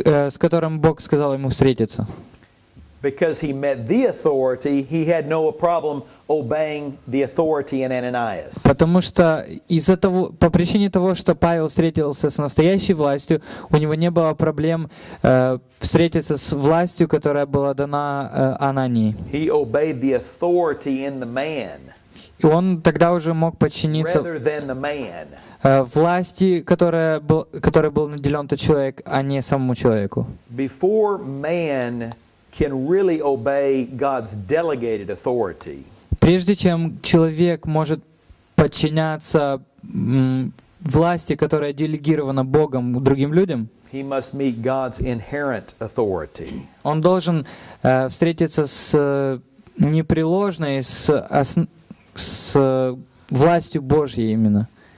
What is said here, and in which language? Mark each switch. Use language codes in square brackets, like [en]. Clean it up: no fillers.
[ru] с которым Бог сказал ему встретиться. [en] Because he met the authority, he had no problem obeying the authority in Ananias. [ru] Потому что из-за того, по причине того, что Павел встретился с настоящей властью, у него не было проблем встретиться с властью, которая была дана Анании. [en] He obeyed the authority in the man. [ru] И он тогда уже мог подчиниться [en] rather than the man. [ru] Власти, которой был наделен тот человек, а не самому человеку. [en] Before man can really obey God's delegated authority. [ru] Прежде чем человек может подчиняться власти, которая делегирована Богом другим людям, [en] he must meet God's inherent authority. [ru] Он должен встретиться с непреложной, с властью Божьей именно.